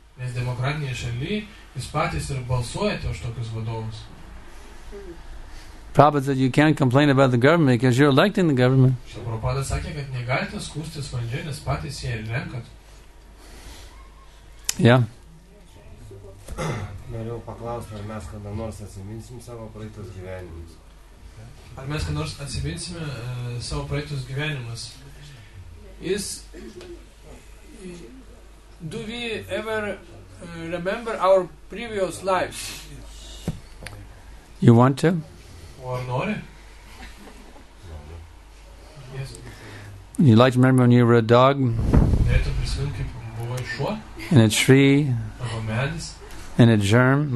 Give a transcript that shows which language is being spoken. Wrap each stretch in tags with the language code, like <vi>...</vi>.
<lt>Nes demokratinėje šalyje jūs patys ir balsuojate už tokius vadovus.</lt> <en>Prabhupada said you can't complain about the government because you're electing the government.</en> <lt>Prabhupada sakė, kad negalite skųstis valdžia, nes patys jie renkat. Yeah. Norėjau paklausti, ar mes kada nors atsiminsim savo praeitos gyvenimus. Ar mes ką nors atsiminsime savo praeitus gyvenimus?</lt> <en>Is, do we ever remember our previous lives? You want to?</en> <lt>Or nori?</lt> <en>Yes. You like to remember when you were a dog? In a tree? In a germ?</en>